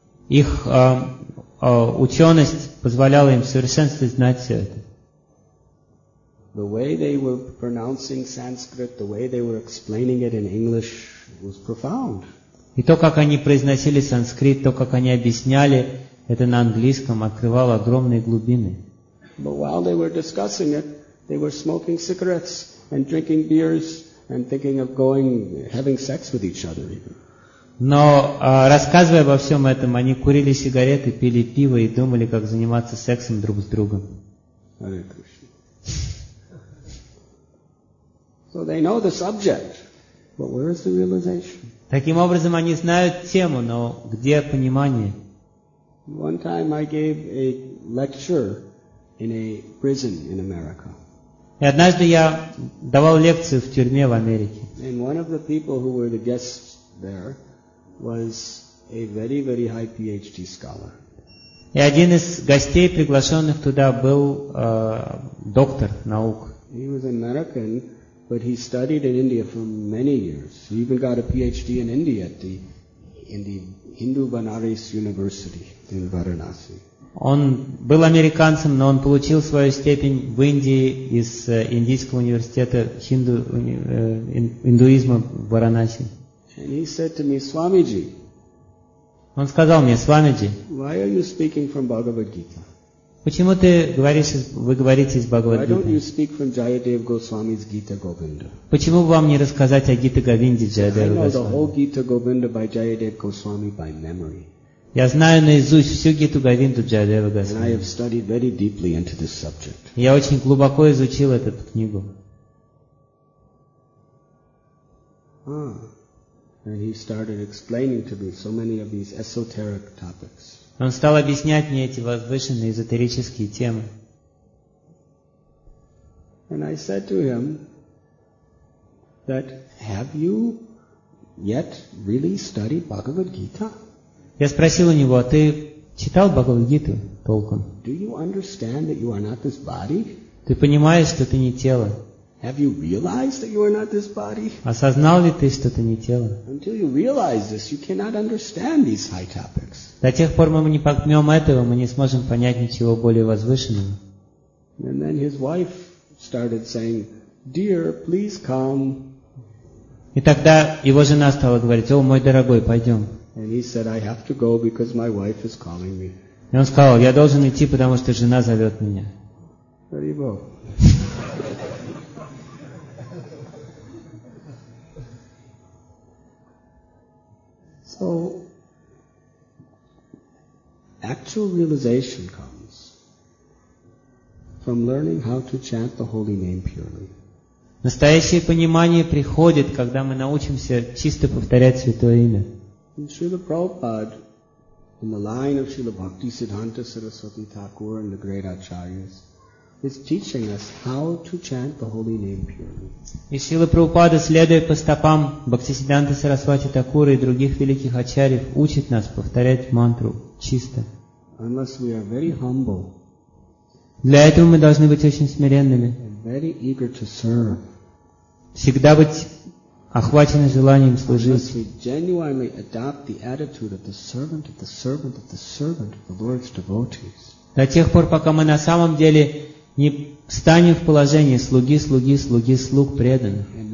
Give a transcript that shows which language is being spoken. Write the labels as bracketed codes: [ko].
[ru] Их ученость позволяла им в совершенстве знать все это. [en] The way they were pronouncing Sanskrit, the way they were explaining it in English was profound. [ru] И то, как они произносили санскрит, то, как они объясняли это на английском, открывало огромные глубины. [en] But while they were discussing it, they were smoking cigarettes and drinking beers and thinking of going having sex with each other even. [ru] Но рассказывая обо всем этом, они курили сигареты, пили пиво и думали, как заниматься сексом друг с другом. [en] Hare Krishna. So they know the subject, but where is the realization? [ru] Таким образом, они знают тему, но где понимание? [en] One time I gave a lecture in a prison in America. [ru] И однажды я давал лекцию в тюрьме в Америке. [en] And one of the people who were the guests there was a very, very high PhD scholar. [ru] И один из гостей, приглашенных туда, был доктор наук. [en] He was American, but he studied in India for many years. He even got a PhD in India at the Hindu Banaras University in Varanasi. [ru] Он был американцем, но он получил свою степень в Индии из индийского университета индуизма в Варанаси. [en] And he said to me, Swamiji. [ru] Он сказал мне, Свамиджи. [en] Why are you speaking from Bhagavad Gita? [ru] Почему ты говоришь, вы говорите из Бхагавад-гиты? [en] Why don't you speak from Jayadev Goswami's Gita Govinda? [ru] Почему бы вам не рассказать о Гита Говинде Джаядева [en] Госвами? I know the whole Gita Govinda by Jayadev Goswami by memory. [ru] Я знаю наизусть всю Гиту Говинду Джаядева Госвами. [en] And I have studied very deeply into this subject. [ru] Я очень глубоко изучил эту книгу. [en] And he started explaining to me so many of these esoteric topics. [ru] Он стал объяснять мне эти возвышенные эзотерические темы. [en] And I said to him that have you yet really studied Bhagavad Gita? [ru] Я спросил у него, а ты читал Бхагавад-гиту толком? [en] Do you understand that you are not this body? [ru] Ты понимаешь, что ты не тело? [en] Have you realized that you are not this body? [ru] Осознал ли ты, что ты не тело? [en] Until you realize this, you cannot understand these high topics. [ru] До тех пор, мы не поймем этого, мы не сможем понять ничего более возвышенного. [en] And then his wife started saying, "Dear, please come." [ru] И тогда его жена стала говорить: "О, мой дорогой, пойдем." [en] And he said, "I have to go because my wife is calling me." [ru] И он сказал: "Я должен идти, потому что жена зовет меня." [en] There you go. So, actual realization comes from learning how to chant the holy name purely. [ru] Настоящее понимание приходит, когда мы научимся чисто повторять святое имя. [en] And Srila Prabhupada, in the line of Srila Bhakti Siddhanta Saraswati Thakur and the great acharyas, is teaching us how to chant the holy name purely. [ru] И Шрила Прабхупада, следуя по стопам Бхактисиддханты Сарасвати Такура и других великих ачарьев, учит нас повторять мантру чисто. [en] Unless we are very humble. [ru] Для этого мы должны быть очень смиренными. [en] And very eager to serve. [ru] Всегда быть охвачены желанием служить. [en] Unless we genuinely adopt the attitude of the servant, of the servant, of the servant, of the Lord's devotees. [ru] До тех пор, пока мы на самом деле не встанем в положение слуги, слуги, слуги, слуг преданных.